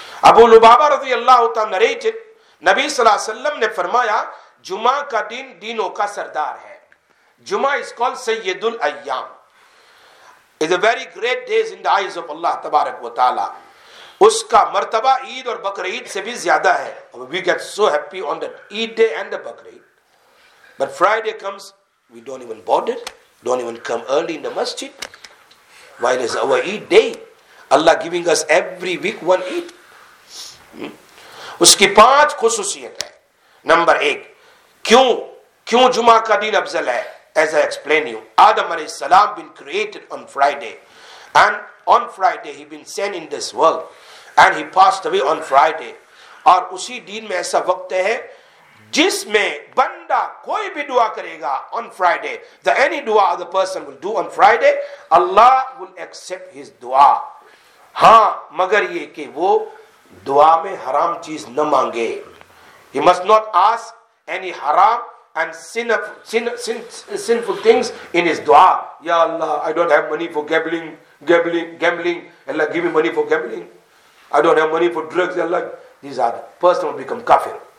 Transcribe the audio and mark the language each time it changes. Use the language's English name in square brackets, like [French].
[Urdu] ابو لبابہ رضی اللہ عنہ نریٹڈ, نبی صلی اللہ علیہ وسلم نے فرمایا جمعہ کا دن دینوں کا سردار ہے. [English] جمعہ is called سید الایام, is a very great days in the eyes of Allah تبارک و تعالی. [Urdu] اس کا مرتبہ عید اور بکر عید سے بھی زیادہ ہے. [English] We get so happy on the Eid day and the Bakr Eid, but Friday comes, we don't even bother, don't even come early in the masjid, while it's our Eid day. Allah giving us every week one Eid. [Urdu] اس کی پانچ خصوصیت ہے. Number ایک, کیوں جمعہ کا دن افضل ہے؟ [English] As I explain you, Adam علیہ السلام been created on Friday, and on Friday he been sent in this world, and he passed away on Friday. [Urdu] اور اسی دن میں ایسا وقت ہے جس میں بندہ کوئی بھی دعا کرے گا [English] on Friday, the any dua the person will do on Friday, Allah will accept his [Urdu] دعا. ہاں مگر یہ کہ وہ دعا میں حرام چیز نہ مانگے. [English] He must not ask any haram and sinful things in his dua. Ya Allah, I don't have money for gambling. Allah, give me money for gambling. I don't have money for drugs. Allah, these are the person will become kafir.